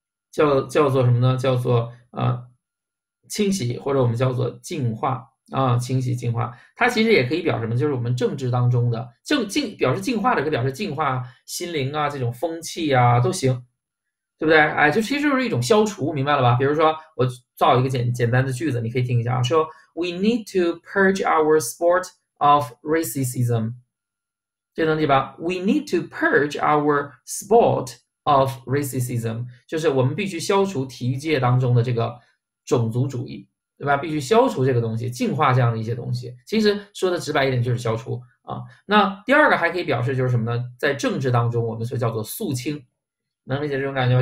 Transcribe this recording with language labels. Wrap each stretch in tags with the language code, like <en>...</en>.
<zh>叫做什么呢？叫做清洗或者我们叫做净化清洗净化，它其实也可以表什么？就是我们政治当中的表示净化的，可以表示净化心灵啊，这种风气啊都行，对不对？哎，就其实就是一种消除，明白了吧？比如说我造一个简单的句子，你可以听一下啊，说</zh> <en>We need to purge our sport of racism，</en> <zh>这能理解吧？</zh> <en>We need to purge our sport。 of racism</en> <zh>就是我们必须消除体育界当中的这个种族主义，对吧？必须消除这个东西，净化这样的一些东西。其实说的直白一点就是消除啊。那第二个还可以表示就是什么呢？在政治当中，我们说叫做肃清，能理解这种感觉吗？</zh>